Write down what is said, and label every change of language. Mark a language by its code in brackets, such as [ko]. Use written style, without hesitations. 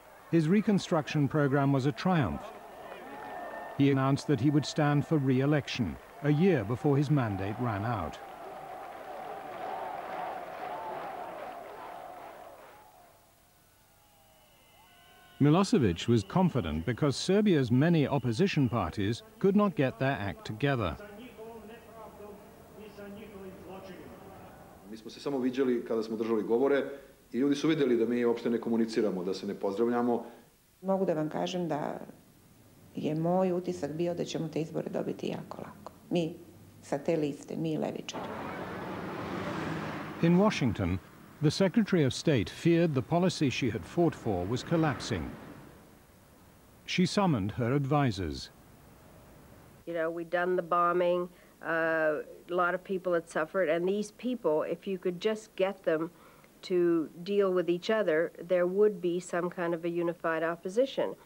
[en] His reconstruction program was a triumph. He announced that he would stand for re-election a year before his mandate ran out. Milosevic was confident because Serbia's many opposition parties could not get their act together. [sr] Mi smo se samo viđali kada smo držali govore I ljudi su vidjeli da mi uopšte ne komuniciramo, da se ne pozdravljamo. Mogu da vam kažem da je moj utisak bio da ćemo te izbore dobiti jako lako. Mi sa te liste, mi levičari. [en] In Washington, the Secretary of State feared the policy she had fought for was collapsing. She summoned her advisors. You know, we'd done the bombing, a lot of people had suffered, and these people, if you could just get them to deal with each other, there would be some kind of a unified opposition.